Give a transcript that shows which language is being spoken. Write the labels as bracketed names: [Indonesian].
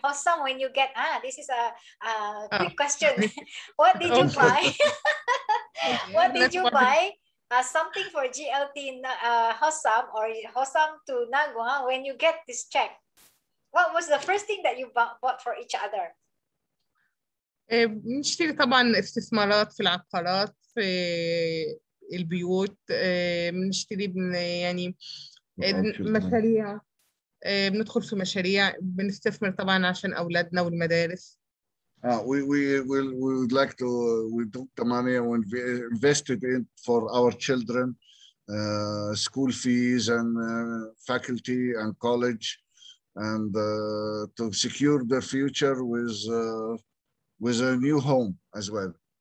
[English] Hosam, when you get this is a quick question. What did you buy? What did you buy? Something for GLT Hosam or Hosam to Nagwa when you get this check? What was the first thing that you bought for each other? [Arabic] نشتري طبعا استثمارات في العقارات في البيوت نشتري يعني مشاريع. بندخل في مشاريع بنستثمر طبعا عشان اولادنا والمدارس [English] we would like to we took the money and invested in for our children school fees and faculty and college and to secure their future with a new home as well.